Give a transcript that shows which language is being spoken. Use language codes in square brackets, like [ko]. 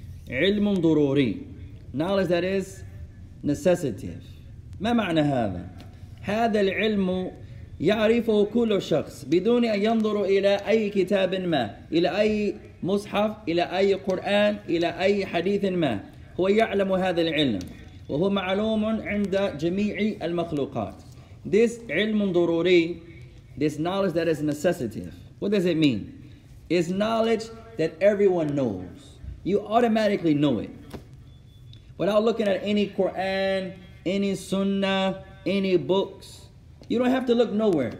[en] علم ضروري, knowledge that is necessitative. [ar] ما معنى هذا؟ هذا العلم يعرفه كل شخص بدون أن ينظر إلى أي كتاب ما, إلى أي مصحف, إلى أي قرآن, إلى أي حديث ما. هو يعلم هذا العلم وهو معلوم عند جميع المخلوقات. [en] This علم ضروري, this knowledge that is necessitative. What does it mean? It's knowledge that everyone knows. You automatically know it. Without looking at any Quran, any Sunnah, any books, you don't have to look nowhere.